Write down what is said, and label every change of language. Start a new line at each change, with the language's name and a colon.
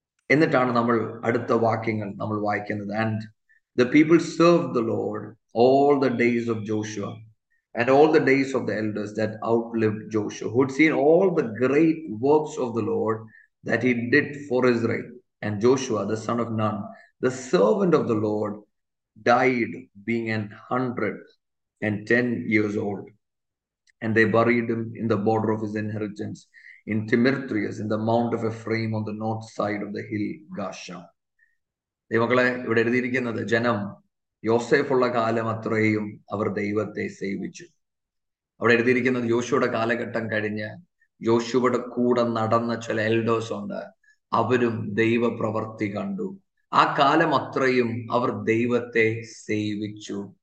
Malayalam: എന്നിട്ടാണ് നമ്മൾ അടുത്ത വാക്യങ്ങൾ നമ്മൾ വായിക്കുന്നത്,
English: And the people serve the Lord all the days of Joshua and all the days of the elders that outlived Joshua who had seen all the great works of the Lord that he did for Israel. And Joshua, the son of Nun, the servant of the Lord, died being 110 years old. And they buried him in the border of his inheritance in Timirthrius, in the mount of Ephraim on the north side of the hill Gashan.
Malayalam: ദൈവമക്കളെ ഇവിടെ എഴുതിയിരിക്കുന്നത്, ജനം യോസേഫുള്ള കാലം അത്രയും അവർ ദൈവത്തെ സേവിച്ചു. അവിടെ എഴുതിയിരിക്കുന്നത് യോശുവയുടെ കാലഘട്ടം കഴിഞ്ഞ് യോശുവയുടെ കൂടെ നടന്ന ചില എൽഡേഴ്സ് ഉണ്ട്, അവരും ദൈവപ്രവർത്തി കണ്ടു. ആ കാലം അത്രയും അവർ ദൈവത്തെ സേവിച്ചു.